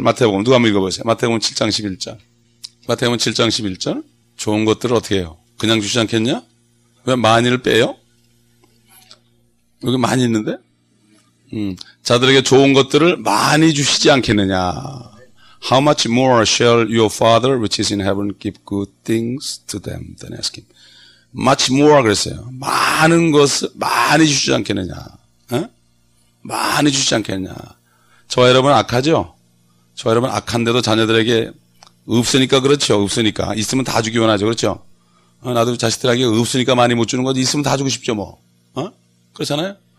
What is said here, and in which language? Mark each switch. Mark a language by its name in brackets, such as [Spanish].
[Korean] 마태복음 누가 한번 읽어보세요. 마태복음 7장 11절. 마태복음 7장 11절. 좋은 것들을 어떻게 해요? 그냥 주지 않겠냐? 왜 많이를 빼요? 여기 많이 있는데? 자들에게 좋은 것들을 많이 주시지 않겠느냐? [English] How much more shall your father which is in heaven give good things to them than ask him? Much more [Korean] 그랬어요. 많은 것을 많이 주시지 않겠느냐? 에? 많이 주시지 않겠느냐? 저와 여러분 악하죠? 저와 여러분 악한데도 자녀들에게 없으니까 그렇죠. 없으니까. 있으면 다 주기 원하죠. 그렇죠? 나도 자식들에게 없으니까 많이 못 주는 거지. 있으면 다 주고 싶죠, 뭐. 어? 그렇잖아요?